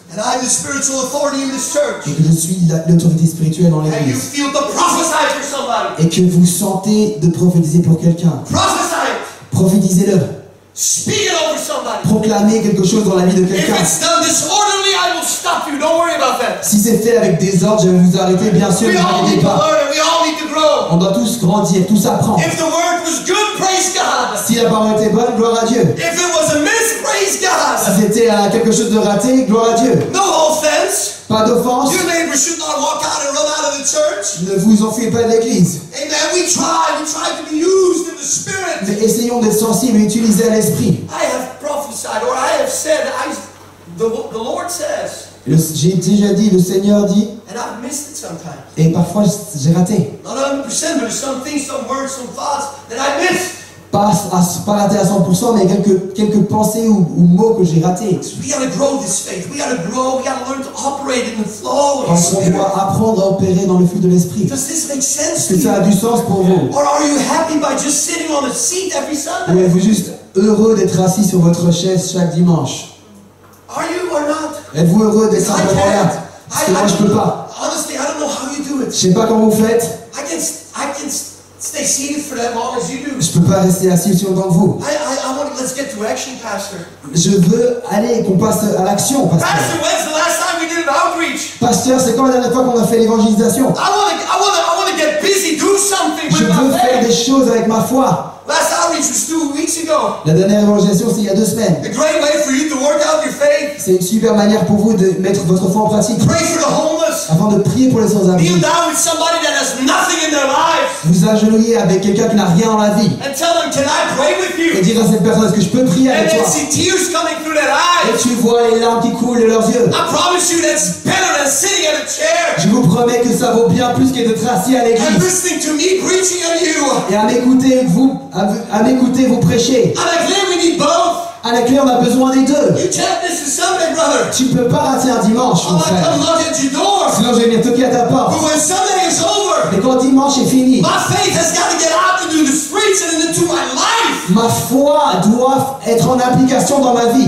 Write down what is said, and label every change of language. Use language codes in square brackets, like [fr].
[en] And I am the spiritual authority in this church. [fr] Et que je suis l'autorité spirituelle dans l'église. [en] And you feel to prophesy for somebody. [fr] Et que vous sentez de prophétiser pour quelqu'un. [en] Prophesy. [fr] Prophétisez-le. [en] Speak it over somebody. [fr] Proclamez quelque chose dans la vie de quelqu'un. [en] If it's done disorderly, I will stop you. Don't worry about that. [fr] Si c'est fait avec désordre, je vais vous arrêter. Bien sûr, [en] we [fr] ne vous inquiétez pas. On doit tous grandir, tous apprendre. [en] If the word was good, praise God. [fr] Si la parole était bonne, gloire à Dieu. [en] If it was a miss, praise God. [fr] Si c'était quelque chose de raté, gloire à Dieu. [en] No offense. [fr] Pas d'offense. [en] Your neighbor should not walk out and run out of the church. [fr] Ne vous enfuyez pas de l'église. [en] Amen. We try to be used in the spirit. [fr] Mais essayons d'être sensibles et utiliser l'esprit. [en] I have prophesied or I have said, the Lord says. [fr] J'ai déjà dit, le Seigneur dit. [en] And I've missed it sometimes. [fr] Et parfois j'ai raté. [en] Not 100%, but some things, some words, some thoughts that I missed. [fr] Pas raté à 100%, mais quelques pensées ou mots que j'ai ratés. [en] We gotta grow this faith. We gotta grow. We gotta learn to operate in the flow. [fr] Parce qu'on doit apprendre à opérer dans le flux de l'esprit. [en] Does this make sense? [fr] Est-ce que ça a du sens pour vous? [en] Or are you happy by just sitting on a seat every Sunday? [fr] Ou êtes-vous juste heureux d'être assis sur votre chaise chaque dimanche? [en] Are you or not? [fr] Êtes-vous heureux d'être simplement là? Parce que moi, je peux pas. [en] Honestly, I don't know how you do it. [fr] Je sais pas comment vous faites. [en] I can stay seated for that long as you do. [fr] Je peux pas rester assis aussi longtemps que vous. [en] Let's get to action, pastor. [fr] Je veux aller qu'on passe à l'action, pasteur. [en] Pastor, when's the last time we did an outreach? [fr] Pasteur, c'est quand la dernière fois qu'on a fait l'évangélisation? [en] I want to get busy, do something with my faith. [fr] Je veux faire des choses avec ma foi. [en] Last outreach was 2 weeks. weeks ago. [fr] La dernière évangélisation, c'est il y a 2 semaines. [en] A great way for you to work out your faith. [fr] C'est une super manière pour vous de mettre votre foi en pratique. [en] Pray for the homeless. [fr] Avant de prier pour les sans-abri. [en] Kneel down with somebody that has nothing in their life. [fr] Vous agenouillez avec quelqu'un qui n'a rien dans la vie. [en] And tell them, can I pray with you? [fr] Et dire à cette personne, est-ce que je peux prier avec toi? [en] And see tears coming through their eyes. [fr] Et tu vois les larmes qui coulent de leurs yeux. [en] I promise you, that's better than sitting at a chair. [fr] Je vous promets que ça vaut bien plus qu'être assis à l'église. [en] And listening to me preaching at you. [fr] Et à m'écouter vous prêcher. À la clé, [en] we need both. [fr] À la clé, on a besoin des deux. [en] You can't miss a Sunday, brother. [fr] Tu ne peux pas rater un dimanche, mon frère. [en] Come knock at your door. [fr] Sinon, je vais venir toquer à ta porte. [en] But when Sunday is over, [fr] mais quand dimanche est fini, [en] my faith has got to get out into the streets and into my life. [fr] Ma foi doit être en application dans ma vie.